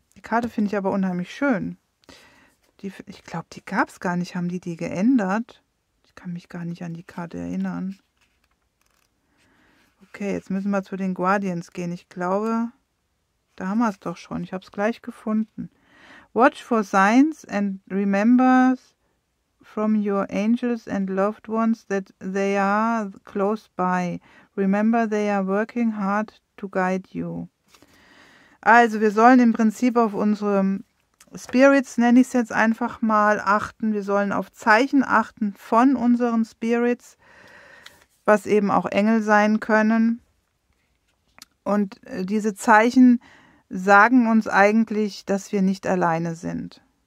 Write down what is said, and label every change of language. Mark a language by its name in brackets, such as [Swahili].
[German] Die Karte finde ich aber unheimlich schön. Ich glaube, die gab es gar nicht. Haben die geändert? Ich kann mich gar nicht an die Karte erinnern. Okay, jetzt müssen wir zu den Guardians gehen. Ich glaube, da haben wir es doch schon. Ich habe es gleich gefunden. [English] Watch for signs and remember from your angels and loved ones that they are close by. Remember, they are working hard to guide you. [German] Also, wir sollen im Prinzip auf unsere Spirits, nenne ich es jetzt einfach mal, achten. Wir sollen auf Zeichen achten von unseren Spirits, was eben auch Engel sein können. Und diese Zeichen sagen uns eigentlich, dass wir nicht alleine sind.